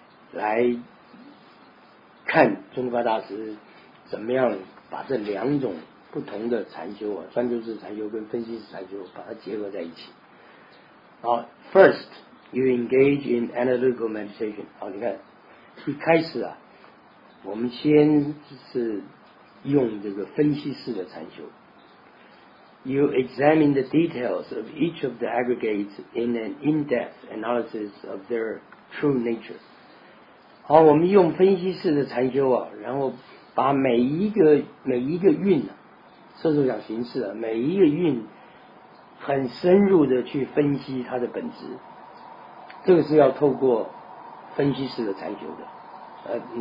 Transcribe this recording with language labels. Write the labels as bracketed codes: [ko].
[zh] 来看宗喀巴大师怎么样把这两种不同的禅修啊，专注式禅修跟分析式禅修把它结合在一起。 [en] 好 ，first you engage in analytical meditation。 [zh] 好，你看一开始啊，我们先是用这个分析式的禅修。 [en] You examine the details of each of the aggregates in an in-depth analysis of their true nature。 [zh] 好，我们用分析式的禅修啊，然后把每一个蕴啊，色受想行识啊，每一个蕴很深入的去分析它的本质，这个是要透过分析式的禅修的。